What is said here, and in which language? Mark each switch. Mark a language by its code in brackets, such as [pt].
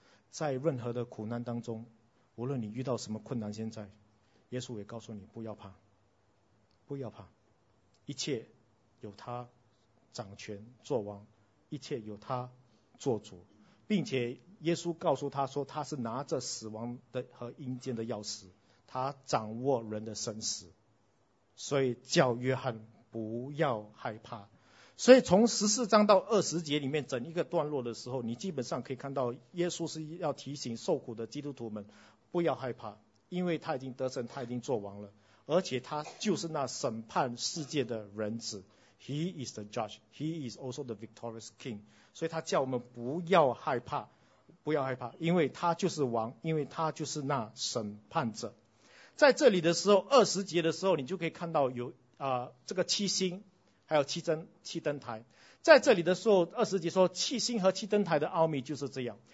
[zh] 在任何的苦难当中，无论你遇到什么困难，现在耶稣也告诉你不要怕，不要怕，一切由他掌权作王，一切由他做主，并且耶稣告诉他说，他是拿着死亡的和阴间的钥匙，他掌握人的生死，所以叫约翰不要害怕。所以从十四章到二十节里面整一个段落的时候，你基本上可以看到耶稣是要提醒受苦的基督徒们不要害怕，因为他已经得胜，他已经作王了，而且他就是那审判世界的人子。 [en] He is the judge, He is also the victorious king。 [zh] 所以他叫我们不要害怕，不要害怕，因为他就是王，因为他就是那审判者。在这里的时候，二十节的时候，你就可以看到有这个七星还有七灯台。在这里的时候，二十节说七星和七灯台的奥秘就是这样。